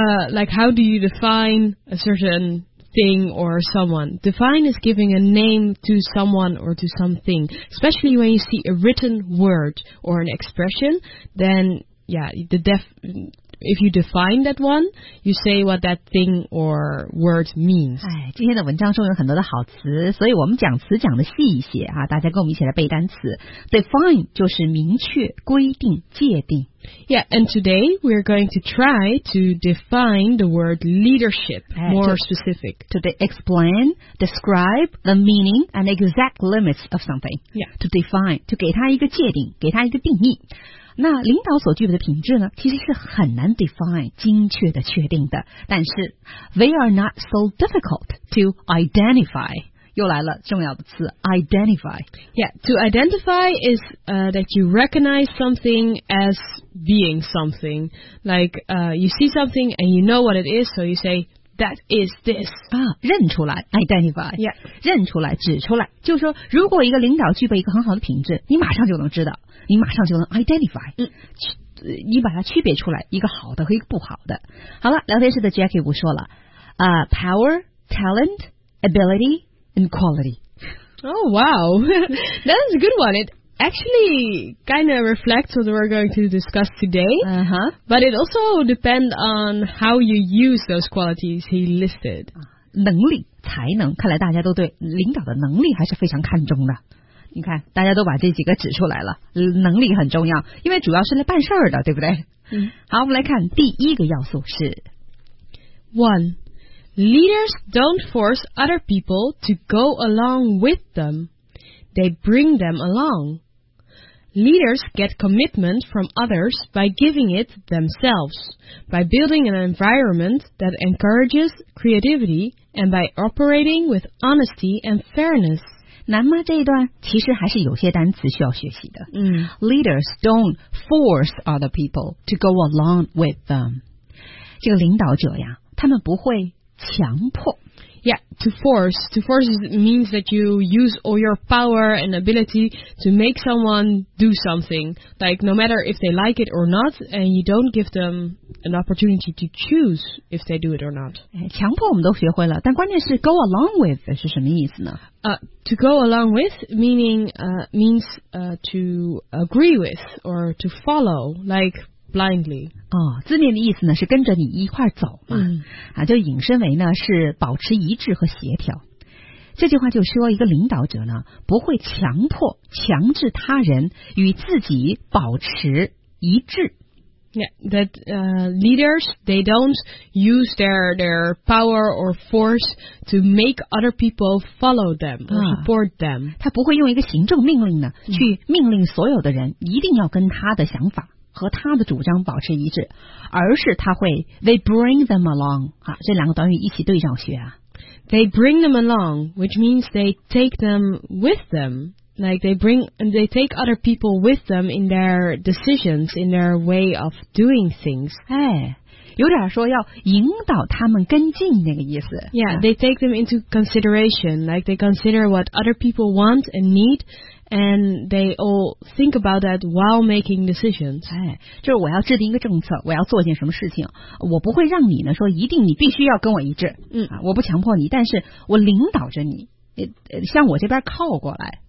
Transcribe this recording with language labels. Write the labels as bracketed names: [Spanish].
[English] Like how do you define a certainthing or someone. Define is giving a name to someone or to something, especially when you see a written word or an expression, then yeah, if you define that one, you say what that thing or word means. [Chinese] 今天的文章中有很多的好词，所以我们讲词讲的细一些啊，大家跟我们一起来背单词。 Define 就是明确、规定、界定。 [English] Yeah, and today we're going to try to define the word leadership more specific. To explain, describe the meaning and exact limits of something. Yeah. [Chinese] To define, to 给它一个界定，给它一个定义。那领导所具备的品质呢，其实是很难 define 精确的确定的，但是 they are not so difficult to identify. 又来了重要的词 identify. [English] Yeah, to identify is that you recognize something as being something. Like you see something and you know what it is, so you say that is this. [Chinese] 认出来 identify. [English] Yeah. [Chinese] 认出来指出来，就是说如果一个领导具备一个很好的品质，你马上就能知道，你马上就能 identify, 你把它区别出来，一个好的和一个不好的。好了，聊天室的 Jackie 不说了啊、 power, talent, ability, and quality. [English] Oh, wow. That is a good one. It actually kind of reflects what we're going to discuss today. Uh-huh. But it also depends on how you use those qualities he listed. [Chinese] 能力、才能，看来大家都对领导的能力还是非常看重的。你看大家都把这几个指出来了，能力很重要，因为主要是来办事儿的，对不对？好，我们来看第一个要素是 [English] One, leaders don't force other people to go along with them. They bring them along. Leaders get commitment from others by giving it themselves, by building an environment that encourages creativity, and by operating with honesty and fairness. [Chinese] 难吗？这一段其实还是有些单词需要学习的。 [English] Leaders don't force other people to go along with them. [Chinese] 这个领导者呀，他们不会强迫。 [English] Yeah, to force means that you use all your power and ability to make someone do something, like no matter if they like it or not, and you don't give them an opportunity to choose if they do it or not. [Chinese] 强迫我们都学会了，但关键是 go along with 是什么意思呢？ [English] To go along with means to agree with or to follow, like blindly. [Chinese] 哦，字面的意思呢是跟着你一块走嘛，啊，就引申为呢是保持一致和协调。这句话就说一个领导者呢不会强迫强制他人与自己保持一致。 [English] Yeah, that leaders, they don't use their power or force to make other people follow them or support them. [Chinese] 他不会用一个行政命令呢去命令所有的人一定要跟他的想法和他的主张保持一致，而是他会 they bring them along, 啊，这两个短语一起对照学啊。 [English] They bring them along, which means they take them with them. Like they take other people with them in their decisions, in their way of doing things. 哎，有点说要引导他们跟进那个意思。 Yeah, they take them into consideration. Like they consider what other people want and need, and they all think about that while making decisions. [Chinese] 哎，就是我要制定一个政策，我要做一件什么事情，我不会让你呢说一定你必须要跟我一致。嗯，啊，我不强迫你，但是我领导着你，向我这边靠过来。